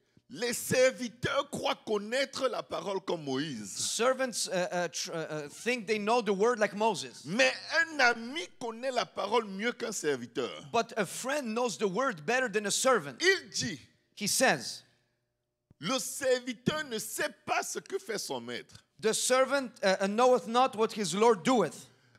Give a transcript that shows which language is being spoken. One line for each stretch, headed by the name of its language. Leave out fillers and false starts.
French: les serviteurs croient connaître la parole comme Moïse.
English: Servants think they know the word like Moses.
French: Mais un ami connaît la parole mieux qu'un serviteur.
English: But a friend knows the word better than a servant.
French: Il dit,
English: he says,
French: le serviteur ne sait pas ce que fait son maître.
English: The servant knoweth not what his Lord doeth.